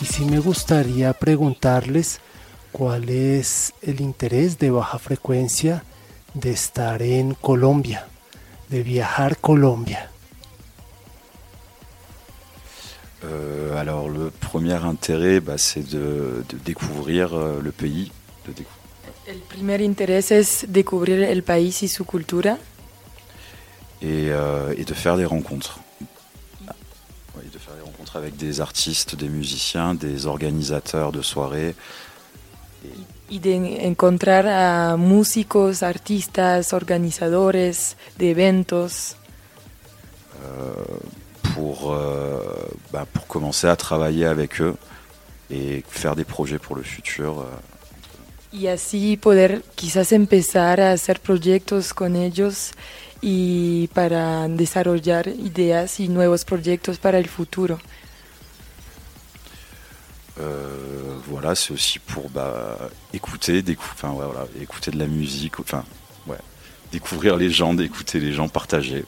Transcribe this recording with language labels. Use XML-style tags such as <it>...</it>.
<es>Me gustaría preguntarles cuál es el interés de Baja Frecuencia de estar en Colombia, de viajar Colombia.</es> <fr>Alors le premier intérêt, c'est de découvrir le pays, de découvrir.</fr> <es>El primer interés es descubrir el país y su cultura.</es> <fr>Et de faire des rencontres. Oui, de faire des rencontres avec des artistes, des musiciens, des organisateurs de soirées.</fr> <es>Y de encontrar a músicos, artistas, organizadores de eventos.</es> <fr>Pour commencer à travailler avec eux et faire des projets pour le futur.</fr> <es>Y así poder quizás empezar a hacer proyectos con ellos y para desarrollar ideas y nuevos proyectos para el futuro.</es> <fr>Voilà, c'est aussi pour écouter de la musique, enfin ouais, découvrir les gens, d'écouter les gens, partager.</fr>